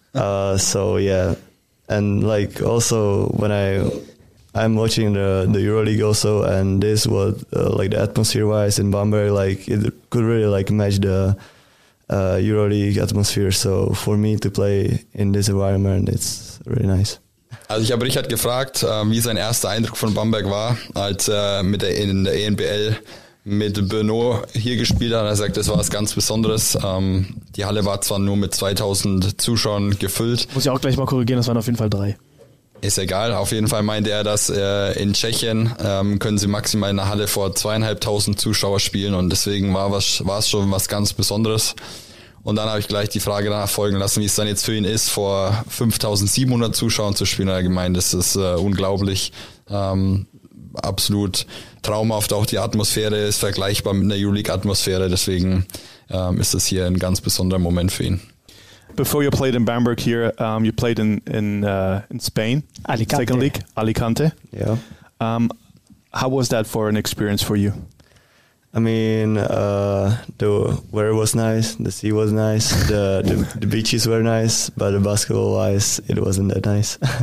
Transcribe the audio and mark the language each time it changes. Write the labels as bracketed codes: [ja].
[en] So yeah, and like also when I'm watching the EuroLeague also, and this was like the atmosphere wise in Bamberg, like it could really like match the EuroLeague atmosphere, so for me to play in this environment, it's really nice. [de] Also ich habe Richard gefragt, wie sein erster Eindruck von Bamberg war, als er in der ENBL mit Brno hier gespielt hat. Er sagt, das war was ganz Besonderes. Die Halle war zwar nur mit 2000 Zuschauern gefüllt. Muss ich auch gleich mal korrigieren, das waren auf jeden Fall 3. Ist egal, auf jeden Fall meinte er, dass in Tschechien können sie maximal in der Halle vor 2.500 Zuschauer spielen und deswegen war es schon was ganz Besonderes. Und dann habe ich gleich die Frage nachfolgen lassen, wie es dann jetzt für ihn ist, vor 5.700 Zuschauern zu spielen. Er gemeint, das ist unglaublich. absolut traumhaft. Auch die Atmosphäre ist vergleichbar mit einer EuroLeague-Atmosphäre. Deswegen ist das hier ein ganz besonderer Moment für ihn. [en] Before you played in Bamberg here, you played in Spain, Alicante. Second league, Alicante. Yeah. How was that for an experience for you? I mean, the weather was nice, the sea was nice, the beaches were nice, but the basketball wise, it wasn't that nice.